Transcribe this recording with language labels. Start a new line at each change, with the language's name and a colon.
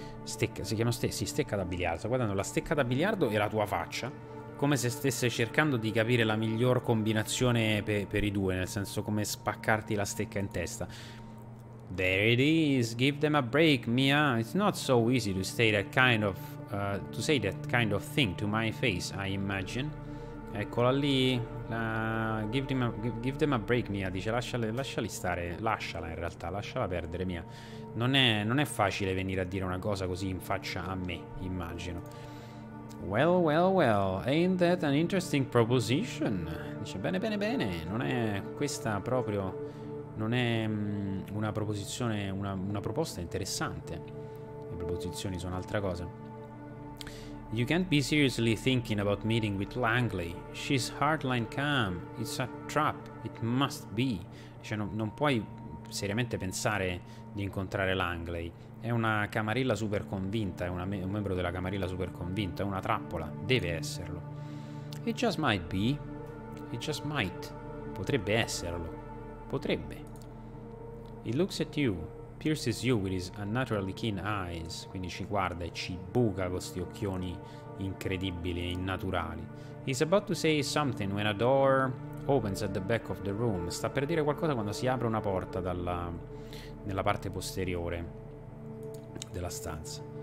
Italian: Stecca, si chiama stecca? Sì, stecca da biliardo. Sta guardando la stecca da biliardo e la tua faccia. Come se stesse cercando di capire la miglior combinazione per i due, nel senso come spaccarti la stecca in testa.
English: There it is, give them a break, Mia. It's not so easy to say that kind of to say that kind of thing to my face, I imagine.
Italian: Eccola lì.
English: Give them a break, Mia.
Italian: Dice, lasciali stare, lasciala in realtà, lasciala perdere, Mia. Non è facile venire a dire una cosa così in faccia a me, immagino.
English: Well, well, well, ain't that an interesting proposition?
Italian: Dice, bene, bene, bene, non è questa proprio, non è una proposizione, una proposta interessante. Le proposizioni sono altra cosa.
English: You can't be seriously thinking about meeting with Langley. She's hardline calm. It's a trap. It must be.
Italian: Dice, non puoi seriamente pensare di incontrare Langley. È una camarilla super convinta, è un membro della camarilla super convinta, è una trappola, deve esserlo.
English: It just might be, it just might,
Italian: potrebbe esserlo, potrebbe.
English: He looks at you, pierces you with his unnaturally keen eyes,
Italian: quindi ci guarda e ci buca con questi occhioni incredibili e innaturali.
English: He's about to say something when a door opens at the back of the room.
Italian: Sta per dire qualcosa quando si apre una porta nella parte posteriore della stanza.